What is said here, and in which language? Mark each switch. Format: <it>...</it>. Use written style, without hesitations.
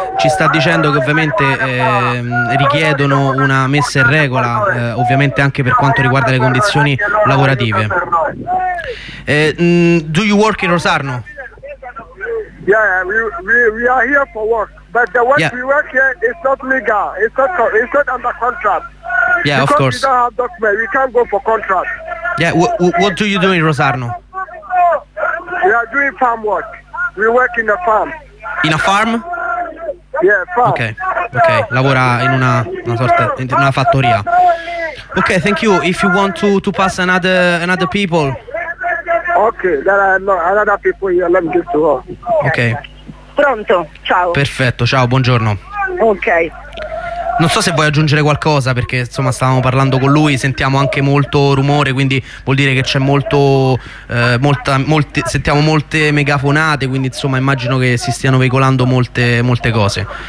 <it>Ci sta dicendo che ovviamente richiedono una messa in regola, ovviamente anche per quanto riguarda le condizioni lavorative.</it> <en>Do you work in Rosarno? Yeah, we are here for work, but the work we work here is not legal. It's not under contract. Yeah, because We don't have document. We can't go for contract. Yeah, what do you do in Rosarno? We are doing farm work. We work in a farm. In a farm? Yeah, farm.</en> <it>Okay. Lavora in una fattoria.</it> <en>Okay, thank you. If you want to pass another people. Okay, there are another people here. Let me give to her. Okay.</en> <it>Pronto, ciao. Perfetto, ciao, buongiorno.</it> <en>Okay.</en> <it>Non so se vuoi aggiungere qualcosa, perché insomma stavamo parlando con lui, sentiamo anche molto rumore, quindi vuol dire che c'è molto sentiamo molte megafonate, quindi insomma immagino che si stiano veicolando molte cose.</it>